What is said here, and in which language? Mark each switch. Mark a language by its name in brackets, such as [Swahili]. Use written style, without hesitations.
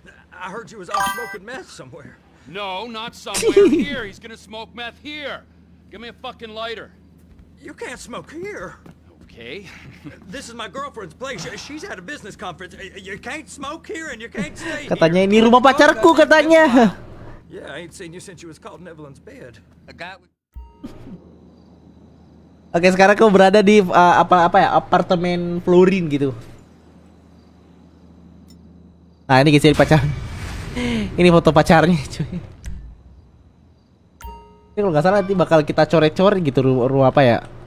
[English] I heard you was off smoking meth somewhere. No, not somewhere. Here, he's gonna smoke meth here. Give me a fucking lighter. You can't smoke here. Okay. This is my girlfriend's place. She's at a business conference. You can't smoke here and you can't stay here. [Indonesian] Katanya ini rumah pacarku, katanya! [English] Yeah, I ain't seen you since you was caught in Evelyn's bed. [Indonesian] Okay, sekarang aku berada di apa ya apartemen Florin gitu. Nah ini guys, ini pacar. Ini foto pacarnya cuy. Ini kalau nggak salah nanti bakal kita coret-coret gitu ruang apa ya.